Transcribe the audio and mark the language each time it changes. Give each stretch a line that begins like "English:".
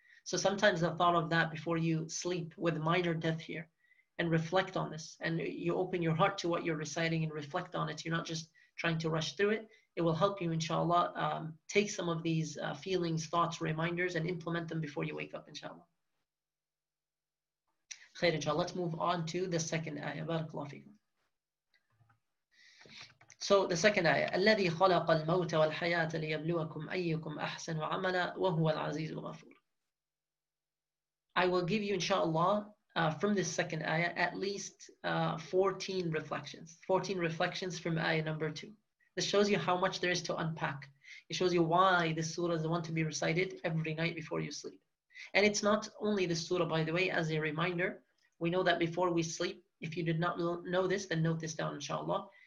English: So sometimes the thought of that before you sleep with minor death here, and reflect on this, and you open your heart to what you're reciting and reflect on it. You're not just trying to rush through it. It will help you, inshallah, take some of these feelings, thoughts, reminders, and implement them before you wake up, inshallah. Khair, inshallah. Let's move on to the second ayah.
Arabic: Barakallahu fikum.
English: So the second ayah,
Arabic: الَّذِي خَلَقَ الْمَوْتَ وَالْحَيَاةَ لِيَبْلُوَكُمْ أَيُّكُمْ أَحْسَنُ عَمَلًا وَهُوَ الْعَزِيزُ الْغَفُورُ.
English: I will give you, inshallah, from this second ayah, at least 14 reflections. 14 reflections from ayah number 2. This shows you how much there is to unpack. It shows you why this surah is the one to be recited every night before you sleep. And it's not only this surah, by the way. As a reminder, we know that before we sleep, if you did not know this, then note this down, inshallah.